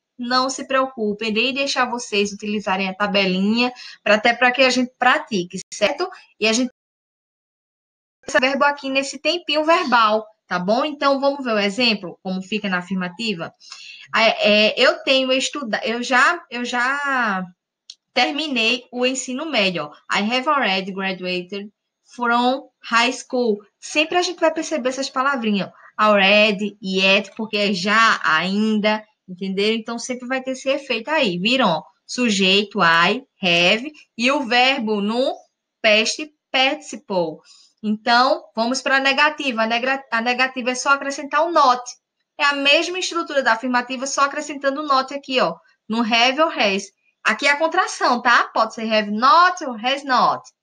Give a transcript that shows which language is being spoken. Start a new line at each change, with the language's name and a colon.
Portuguese: Não se preocupem, irei deixar vocês utilizarem a tabelinha até para que a gente pratique, certo? E a gente esse verbo aqui nesse tempinho verbal, tá bom? Então vamos ver o exemplo como fica na afirmativa. Eu tenho estudado, eu já terminei o ensino médio.
English: I have already graduated from high school.
Portuguese: Sempre a gente vai perceber essas palavrinhas, already, yet, porque é já, ainda. Entenderam? Então sempre vai ter esse efeito aí. Viram? Sujeito, I, have, e o verbo no past participle. Então, vamos para a negativa. A negativa é só acrescentar o not. É a mesma estrutura da afirmativa, só acrescentando o not aqui, ó. No have ou has. Aqui é a contração, tá? Pode ser have not ou has not.